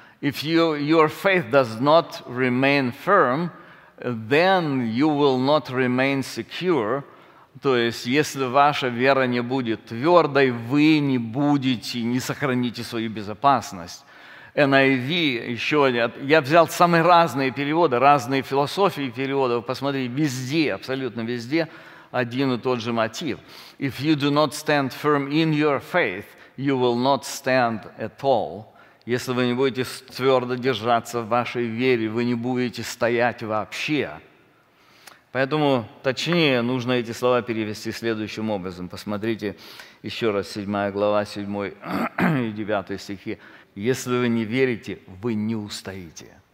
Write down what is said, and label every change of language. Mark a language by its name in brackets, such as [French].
[English] If your faith does not remain firm, then you will not remain secure. [Russian] То есть, если ваша вера не будет твердой, вы не будете, не сохраните свою безопасность. NIV, еще один. Я взял самые разные переводы, разные философии переводов. Посмотри, везде, абсолютно везде один и тот же мотив. [English] If you do not stand firm in your faith, you will not stand at all. [Russian] Если вы не будете твердо держаться в вашей вере, вы не будете стоять вообще. Поэтому, точнее, нужно эти слова перевести следующим образом. Посмотрите еще раз 7 глава, 7 и 9 стихи. Если вы не верите, вы не устоите.